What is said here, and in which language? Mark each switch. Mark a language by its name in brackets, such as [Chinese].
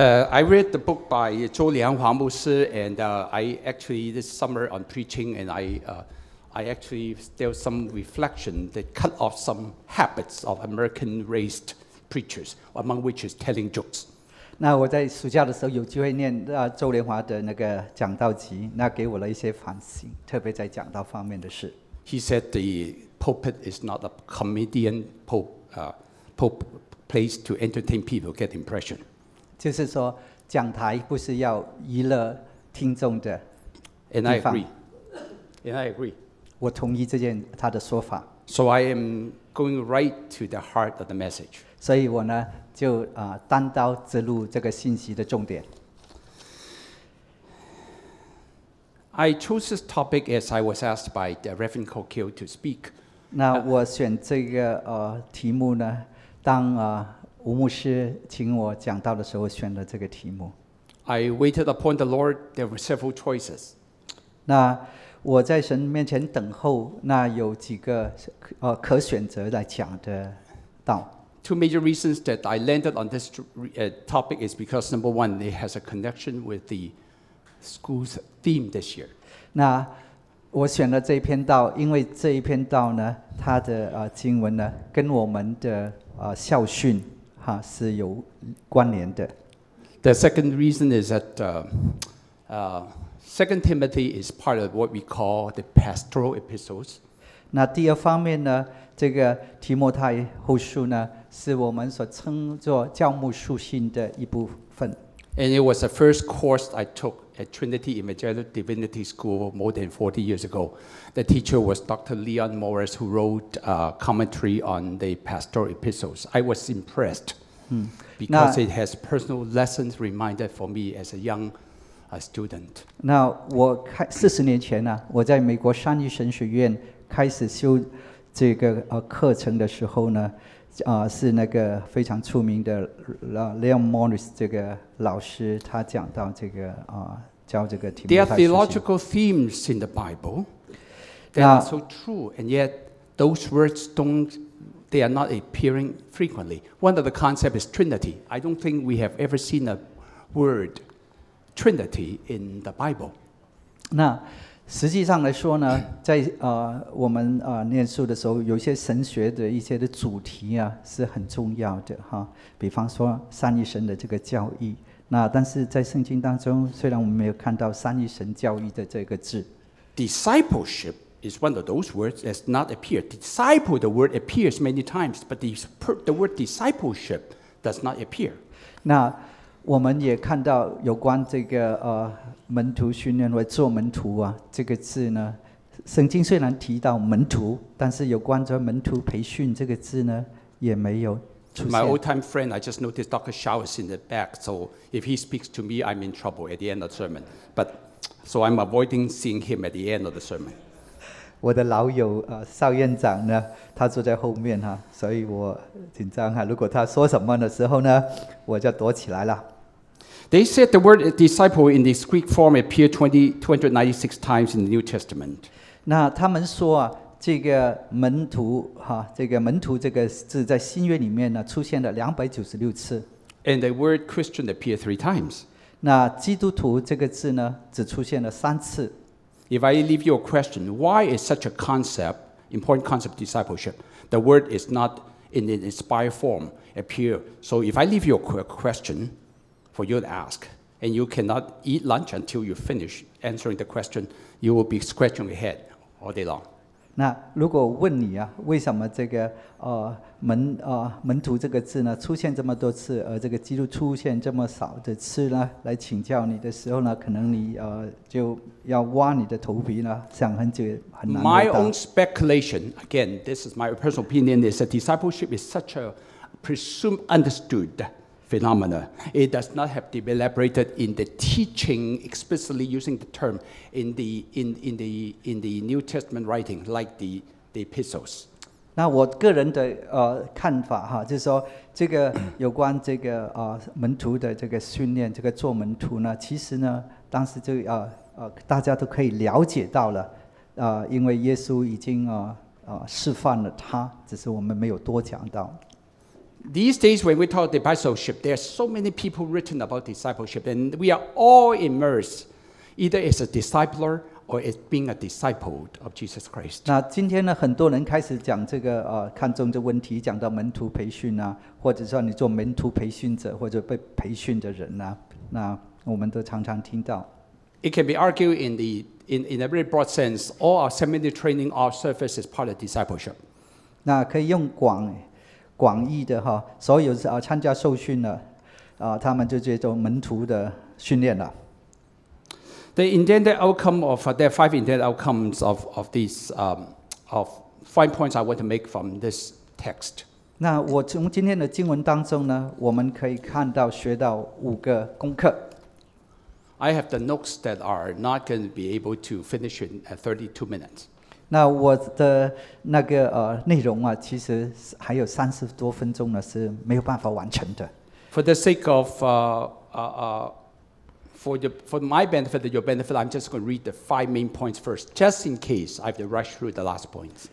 [English] I read the book by 周良华牧师 and I actually this summer on preaching and I actually still some reflection that cut off some habits of American raised preachers, among which is telling jokes. [Chinese] 那我在暑假的时候有机会念周良华的那个讲道集，那给我了一些反省，特别在讲道方面的事。 [English] He said the pulpit is not a comedian pulp place to entertain people, get impression. [Chinese] 就是说，讲台不是要娱乐听众的地方。 [English] And I agree. [Chinese] 我同意这件他的说法。 [English] So I am going right to the heart of the message. [Chinese] 所以我呢就单刀直入这个信息的重点。 [English] I chose this topic as I was asked by the Reverend Kokil to speak. [Chinese] 那我选这个题目呢，当吴牧师请我讲到的时候选了这个题目。 [English] I waited upon the Lord, there were several choices. [Chinese] 那我在神面前等候，那有几个可选择来讲的道。 [English] Two major reasons that I landed on this topic is because number one, it has a connection with the school's theme this year. [Chinese] 那我选了这一篇道，因为这一篇道呢，它的经文呢，跟我们的校训是有关联的。 [English] The second reason is that Second Timothy is part of what we call the pastoral epistles. [Chinese] 那第二方面呢，这个提摩太后书呢，是我们所称作教牧书信的一部分。 [English] And it was the first course I took at Trinity Evangelical Divinity School more than 40 years ago. The teacher was Dr. Leon Morris, who wrote a commentary on the pastoral epistles. I was impressed because it has personal lessons reminded for me as a young student. [Chinese] 那我40年前呢，我在美国山地神学院开始修这个课程的时候呢，是那个非常出名的 Leon Morris 这个老师，他讲到这个教这个题目。 [English] There are theological themes in the Bible that are so true, and yet those words they are not appearing frequently. One of the concepts is Trinity. I don't think we have ever seen a word Trinity in the Bible. [Chinese] 那实际上来说呢，在我们念书的时候，有一些神学的一些的主题啊是很重要的哈，比方说三一神的这个教义。那但是在圣经当中，虽然我们没有看到三一神教义的这个字 [English] ，discipleship is one of those words that's not appeared. Disciple, the word appears many times, but the word discipleship does not appear. [Chinese] 那我们也看到有关这个门徒训练为做门徒啊这个字呢，圣经虽然提到门徒，但是有关着门徒培训这个字呢也没有出现。 [English] My old time friend, I just noticed Dr. Shaw is in the back, so if he speaks to me, I'm in trouble at the end of the sermon. But so I'm avoiding seeing him at the end of the sermon. [Chinese] 我的老友邵院长呢，他坐在后面哈，所以我紧张哈。如果他说什么的时候呢，我就躲起来了。 [English] They said the word disciple in this Greek form appeared 296 times in the New Testament. [Chinese] 那他们说这个门徒这个门徒这个字在新约里面呢出现了296次。 [English] And the word Christian appeared 3 times. [Chinese] 那基督徒这个字呢，只出现了三次。 [English] If I leave you a question, why is such a concept, important concept discipleship, the word is not in an inspired form appear? So if I leave you a question for you to ask, and you cannot eat lunch until you finish answering the question, you will be scratching your head all day long. [Chinese] 那如果问你啊，为什么这个门徒这个字呢出现这么多次，而这个基督出现这么少的次呢？来请教你的时候呢，可能你就要挖你的头皮呢，想很久很难回答。 [English] My own speculation, again, this is my personal opinion, is that discipleship is such a presumed understood phenomenon. It does not have to be elaborated in the teaching explicitly using the term in the New Testament writing, like the epistles. [Chinese] 那我个人的看法哈，就是说这个有关这个门徒的这个训练，这个做门徒呢，其实呢，当时就大家都可以了解到了，因为耶稣已经示范了他，只是我们没有多讲到。 [English] These days when we talk about discipleship, there are so many people written about discipleship, and we are all immersed, either as a discipler. Or as being a disciple of Jesus Christ. [Chinese] 那今天呢，很多人开始讲这个看重这问题，讲到门徒培训啊，或者说你做门徒培训者或者被培训的人啊，那我们都常常听到。 [English] It can be argued in a very broad sense, all our seminary training, our service is part of discipleship. [Chinese] 那可以用广义的哈，所有参加受训的他们就叫做门徒的训练了。 [English] The intended outcome of there are five intended outcomes of these of five points I want to make from this text. [Chinese] 那我从今天的经文当中呢，我们可以看到学到五个功课。 [English] I have the notes that are not going to be able to finish in 32 minutes. [Chinese] 那我的那个内容啊，其实还有三十多分钟呢，是没有办法完成的。 [English] For the sake of For my benefit and your benefit, I'm just going to read the five main points first, just in case I have to rush through the last points.